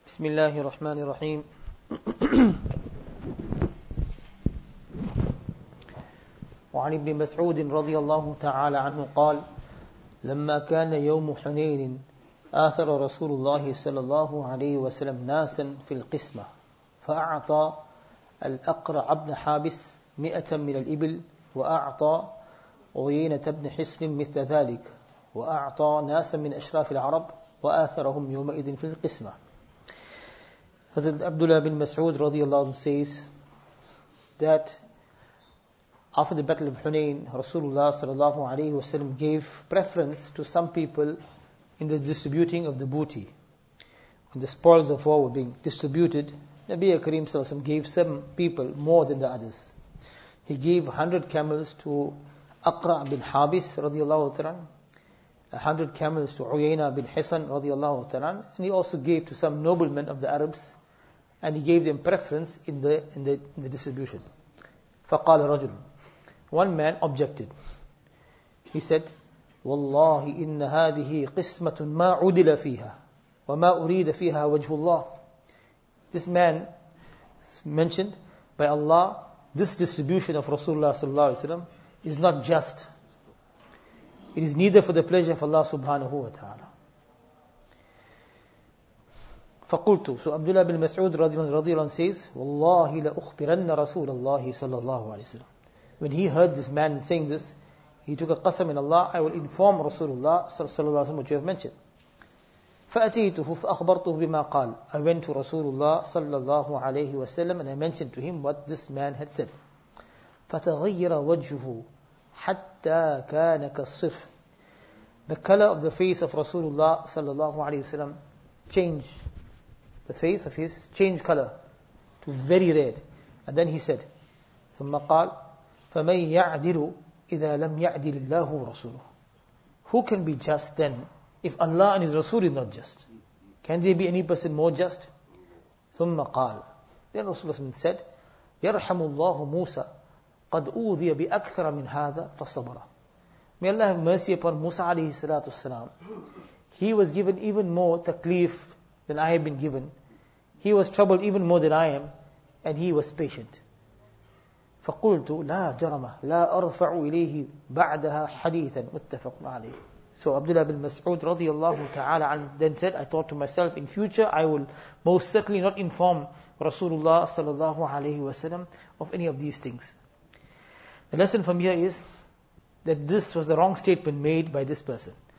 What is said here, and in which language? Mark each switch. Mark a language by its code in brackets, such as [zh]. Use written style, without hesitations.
[ar] بسم الله الرحمن الرحيم وعن ابن مسعود رضي الله تعالى عنه قال لما كان يوم حنين آثر رسول الله صلى الله عليه وسلم ناسا في القسمة فأعطى الأقرع بن حابس 100 من الإبل وأعطى عيينة بن حصن مثل ذلك وأعطى ناسا من أشراف العرب وآثرهم يومئذ في القسمة. [en] Hazrat Abdullah bin Mas'ud radiallahu anhu says that after the Battle of Hunain, Rasulullah sallallahu alayhi wasallam gave preference to some people in the distributing of the booty. When the spoils of war were being distributed, Nabi Kareem sallallahu alayhi wasallam gave some people more than the others. He gave 100 camels to Aqra' bin Habis radiallahu anhu, 100 camels to Uyayna bin Hisan radiallahu anhu, and he also gave to some noblemen of the Arabs, and he gave them preference in the distribution. [ar] فقال رجل, [en] one man objected. He said, [ar] والله إن هذه قسمة ما عدل فيها وما أريد فيها وجه الله. [en] This man mentioned, by Allah, this distribution of Rasulullah sallallahu alaihi wasallam is not just. It is neither for the pleasure of Allah subhanahu wa ta'ala. [ar] فقلت, [en] so Abdullah bin Mas'ud radiallahu anhu says, [ar] والله لأخبرن رسول الله صلى الله عليه وسلم. [en] When he heard this man saying this, he took a qasam in Allah, I will inform Rasulullah صلى الله عليه وسلم, which you have mentioned. [ar] فأتيته فأخبرته بما قال. [en] I went to Rasulullah صلى الله عليه وسلم and I mentioned to him what this man had said. [ar] فتغير وجهه حتى كان كالصف. [en] The color of the face of Rasulullah صلى الله عليه وسلم changed. The face of his changed color to very red. And then he said, [ar] ثُمَّ قَالْ فَمَنْ يَعْدِلُ إِذَا لَمْ يَعْدِلِ اللَّهُ رَسُولُهُ. [en] Who can be just then if Allah and His Rasul is not just? Can there be any person more just? [ar] ثُمَّ قَالْ. [en] Then Rasulullah said, [ar] يَرْحَمُ اللَّهُ مُوسَى قَدْ أُوذِيَ بِأَكْثَرَ مِنْ هَذَا فَصَبَرَ. [en] May Allah have mercy upon Musa alayhi salatu wasalam. He was given even more taklif than I have been given. He was troubled even more than I am, and he was patient. [ar] فقلت لا جرم لا أرفع إليه بعدها حديثا متفق عليه. [en] So Abdullah bin Mas'ud radiallahu ta'ala then said, I thought to myself, in future I will most certainly not inform Rasulullah sallallahu alayhi wasallam of any of these things. The lesson from here is that this was the wrong statement made by this person.